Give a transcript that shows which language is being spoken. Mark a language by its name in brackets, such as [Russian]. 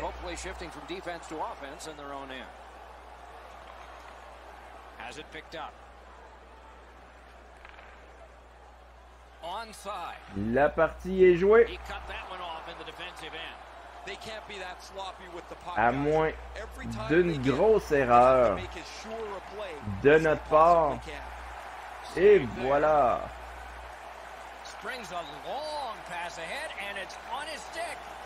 [English] Hopefully shifting from defense to offense in their own end. Has it picked up? Onside. [French] La partie est jouée. [English] He cut that one off in the defensive end. They can't be that sloppy with the puck. [French] À moins d'une grosse erreur de notre part. Et voilà. [English] Springs a long pass ahead and it's on his stick.